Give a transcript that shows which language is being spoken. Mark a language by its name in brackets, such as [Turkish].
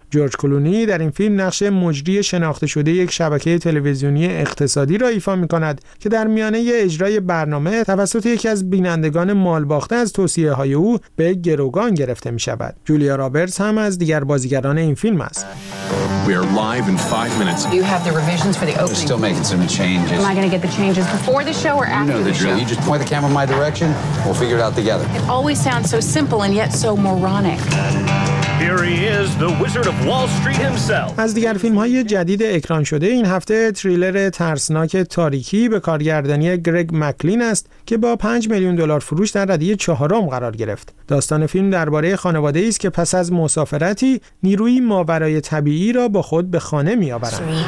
[Persian] جورج کلونی در این فیلم نقش مجری شناخته شده یک شبکه تلویزیونی اقتصادی را ایفا می‌کند که در میانه اجرای برنامه توسط یکی از بینندگان مالباخته از توصیه‌های او به گروگان گرفته می‌شود. جولیا رابرتس هم از دیگر بازیگران این فیلم است. [English] We are live in 5 minutes. Do you have the revisions for the opening? They're still making some changes. Am I going to get the changes before the show or after the show? You know the drill. You just point the camera in my direction. We'll figure it out together. It always sounds so simple and yet so moronic. Here he is, the Wizard of Wall Street himself. [Persian] از دیگر فیلم‌های جدید اکران شده این هفته، تریلر ترسناک تاریکی به کارگردانی گرگ مکلین است که با 5 میلیون دلار فروش در رده چهارم قرار گرفت. داستان فیلم درباره خانواده ای است که پس از مسافرتی نیروی ماورای طبیعی را با خود به خانه می آورند.